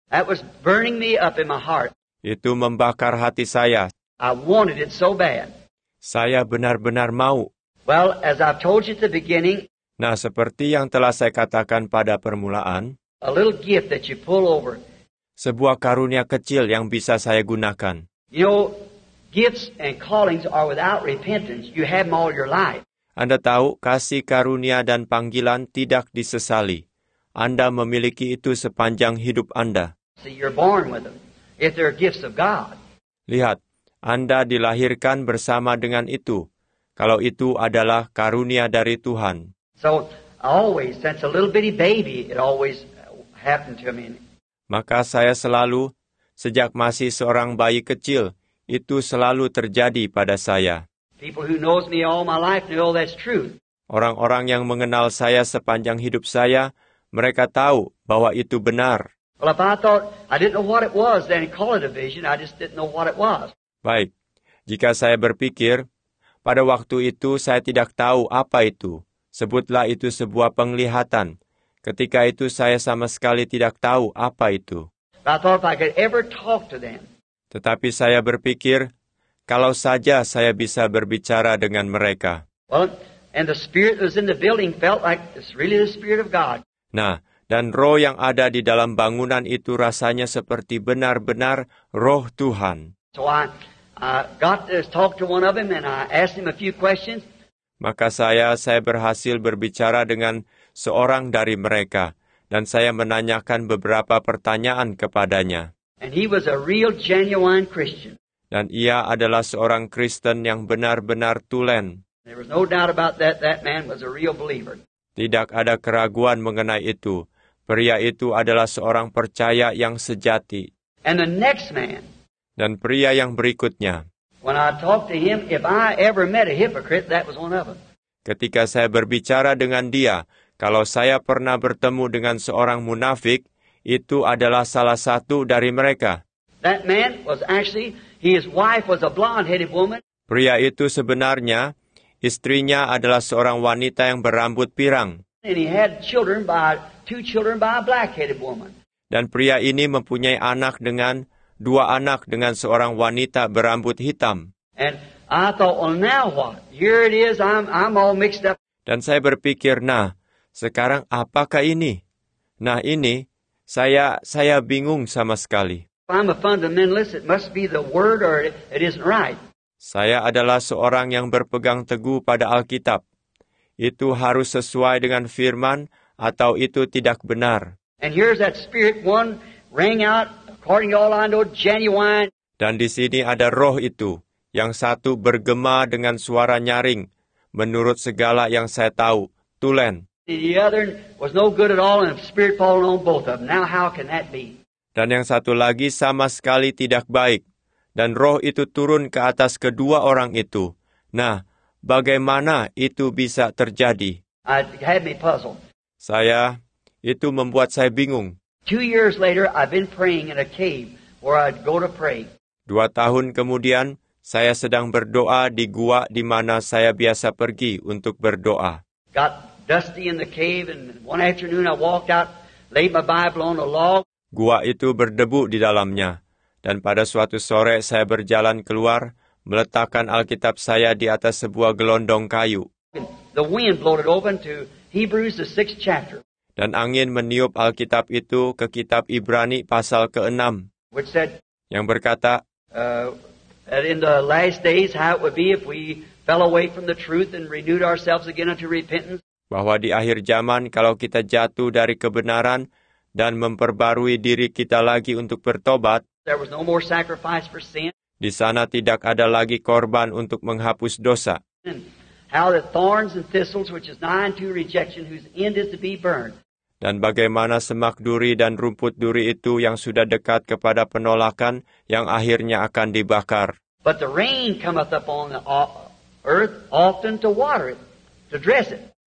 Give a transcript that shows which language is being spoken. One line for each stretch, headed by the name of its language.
English: That was burning me up in my heart.
Indonesian: Itu membakar hati saya.
English: I wanted it so bad.
Indonesian: Saya benar-benar mau.
English: Well, as I've told you at the beginning.
Indonesian: Nah, seperti yang telah saya katakan pada permulaan.
English: A little gift that you pull over.
Indonesian: Sebuah karunia kecil yang bisa saya gunakan.
English: You know, gifts and callings are without repentance. You have them all your life.
Indonesian: Anda tahu, kasih karunia dan panggilan tidak disesali. Anda memiliki itu sepanjang hidup Anda.
English: See, you're born with them. If they're gifts of God.
Indonesian: Lihat, Anda dilahirkan bersama dengan itu. Kalau itu adalah karunia dari Tuhan.
English: So, always, since a little bitty baby, it always happened to me.
Indonesian: Maka saya selalu, sejak masih seorang bayi kecil, itu selalu terjadi pada saya.
English: People who knows me all my life know that's true.
Indonesian: Orang-orang yang mengenal saya sepanjang hidup saya, mereka tahu bahwa itu benar.
English: Well, if I thought I didn't know what it was, then call it a vision. I just didn't know what it was.
Indonesian: Baik, jika saya berpikir, pada waktu itu saya tidak tahu apa itu. Sebutlah itu sebuah penglihatan. Ketika itu saya sama sekali tidak tahu apa itu.
English: But I thought if I could ever talk to them.
Indonesian: Tetapi saya berpikir, Kalau saja saya bisa berbicara dengan mereka.
English: Well, and the spirit that was in the building felt like it's really the spirit of God.
Indonesian: Nah, dan roh yang ada di dalam bangunan itu rasanya seperti benar-benar roh Tuhan.
English: So I got to talk to one of them and I asked him a few questions.
Indonesian: Maka saya berhasil berbicara dengan seorang dari mereka dan saya menanyakan beberapa pertanyaan kepadanya.
English: And he was a real genuine Christian.
Indonesian: Dan ia adalah seorang Kristen yang benar-benar tulen.
English: There was no doubt about that. That man was a real believer.
Indonesian: Tidak ada keraguan mengenai itu. Pria itu adalah seorang percaya yang sejati.
English: And the next man.
Indonesian: Dan pria yang berikutnya.
English: When I talked to him, if I ever met a hypocrite, that was one of them.
Indonesian: Ketika saya berbicara dengan dia, kalau saya pernah bertemu dengan seorang munafik, itu adalah salah satu dari mereka.
English: That man was actually, his wife was a blonde-headed woman.
Indonesian: Pria itu sebenarnya, istrinya adalah seorang wanita yang berambut pirang.
English: And he had children by, two children by a black-headed woman.
Indonesian: Dan pria ini mempunyai anak dengan, dua anak dengan seorang wanita berambut hitam.
English: And I thought, well, now what? Here it is, I'm all mixed up.
Indonesian: Dan saya berpikir, nah, sekarang apakah ini? Nah ini, saya bingung sama sekali.
English: I'm a fundamentalist, it must be the word or it isn't right.
Indonesian: Saya adalah seorang yang berpegang teguh pada Alkitab. Itu harus sesuai dengan firman atau itu tidak benar.
English: And here's that spirit one rang out according to all I know genuine.
Indonesian: Dan di sini ada roh itu yang satu bergema dengan suara nyaring menurut segala yang saya tahu, tulen.
English: The other was no good at all and the spirit falling on both of them. Now how can that be?
Indonesian: Dan yang satu lagi sama sekali tidak baik. Dan roh itu turun ke atas kedua orang itu. Nah, bagaimana itu bisa terjadi?
English: I had me puzzled.
Indonesian: Saya, itu membuat saya bingung.
English: 2 years later, I've been praying in a cave where I'd go to pray.
Indonesian: 2 tahun kemudian, saya sedang berdoa di gua di mana saya biasa pergi untuk berdoa.
English: Got dusty in the cave and one afternoon I walked out, laid my Bible on a log.
Indonesian: Gua itu berdebu di dalamnya. Dan pada suatu sore saya berjalan keluar, meletakkan Alkitab saya di atas sebuah gelondong kayu.
English: The wind blowed it open to Hebrews, the 6th chapter.
Indonesian: Dan angin meniup Alkitab itu ke kitab Ibrani pasal ke-6.
English: Which said,
Indonesian: yang berkata,
English: that in the last days how it would be if we fell away from the truth and renewed ourselves again unto repentance.
Indonesian: Bahwa di akhir zaman kalau kita jatuh dari kebenaran dan memperbarui diri kita lagi untuk bertobat,
English: there was no more sacrifice for sin.
Indonesian: Di sana tidak ada lagi korban untuk menghapus dosa.
English: How the thorns and thistles, which is nigh unto rejection, whose end is to be burned.
Indonesian: Dan bagaimana semak duri dan rumput duri itu yang sudah dekat kepada penolakan, yang akhirnya akan dibakar.
English: But the rain cometh upon the earth often to water it, to dress it.